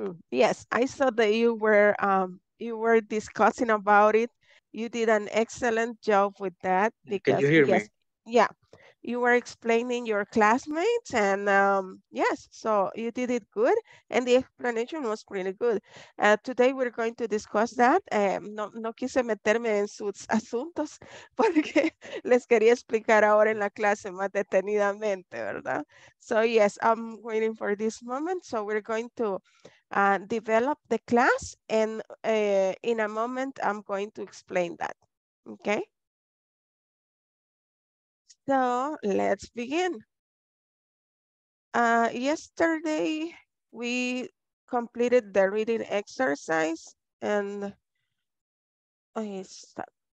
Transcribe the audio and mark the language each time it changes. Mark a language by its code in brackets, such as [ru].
[en] Yes, I saw that you were discussing about it. You did an excellent job with that Can you because hear me? yes, yeah, you were explaining your classmates and yes, so you did it good and the explanation was really good. Today we're going to discuss that. [es] No quise meterme en sus asuntos porque les quería explicar ahora en la clase más detenidamente, ¿verdad? [en] So yes, I'm waiting for this moment. So we're going to develop the class and in a moment I'm going to explain that. Okay? So let's begin. Yesterday we completed the reading exercise and I stop.